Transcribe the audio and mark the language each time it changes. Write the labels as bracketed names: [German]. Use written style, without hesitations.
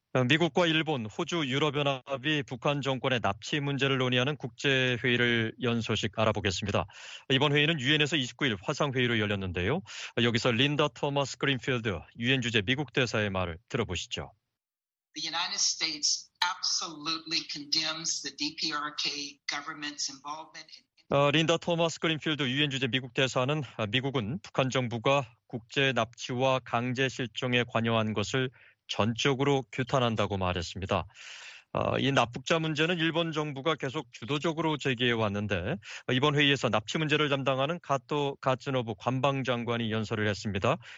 [Korean] 미국과 일본, 호주, 유럽연합이 북한 정권의 납치 문제를 논의하는 국제회의를 연 소식 알아보겠습니다. 이번 회의는 유엔에서 29일 화상회의로 열렸는데요. 여기서 린다 토마스 그린필드, 유엔 주재 미국 대사의 말을 들어보시죠. [English] The United States absolutely condemns the DPRK government's involvement in [Korean] 린다 토마스 그린필드 유엔 주재 미국 대사는 미국은 북한 정부가 국제 납치와 강제 실종에 관여한 것을 전적으로 규탄한다고 말했습니다. 이 납북자 문제는 일본 정부가 계속 주도적으로 제기해 왔는데 이번 회의에서 납치 문제를 담당하는 가토 가츠노부 관방장관이 연설을 했습니다.